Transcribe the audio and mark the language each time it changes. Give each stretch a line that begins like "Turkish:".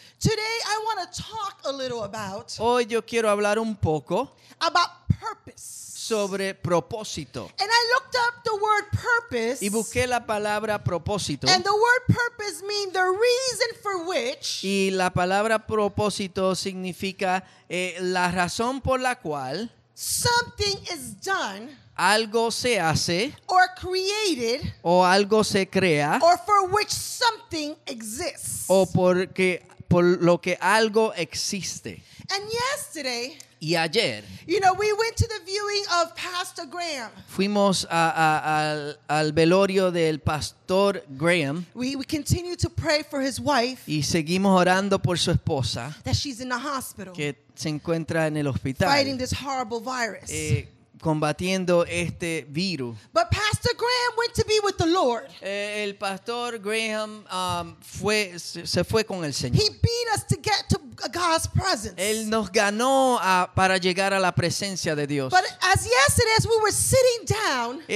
English: Today I want to talk a little about
Spanish: hoy yo quiero hablar un poco
English: about purpose.
Spanish: Sobre propósito.
English: And I looked up the word purpose.
Spanish: Y busqué la palabra propósito.
English: And the word purpose means the reason for which.
Spanish: Y la palabra propósito significa la razón por la cual
English: something is done.
Spanish: Algo se hace.
English: Or created.
Spanish: O algo se crea.
English: Or for which something exists.
Spanish: O porque por lo que algo existe.
English: And yesterday.
Spanish: Y ayer,
English: you know, we went to the viewing of Pastor Graham.
Spanish: Fuimos al velorio del Pastor Graham.
English: We continue to pray for his wife.
Spanish: Y seguimos orando por su esposa.
English: That she's in the hospital.
Spanish: Que se encuentra en el hospital.
English: Fighting this horrible virus.
Spanish: Combatiendo este virus.
English: But Pastor Graham went to be with the Lord.
Spanish: El Pastor Graham se fue con el Señor.
English: He beat us to get to God's presence.
Spanish: Él nos ganó para llegar a la presencia de Dios.
English: But as yesterday, as we were sitting down,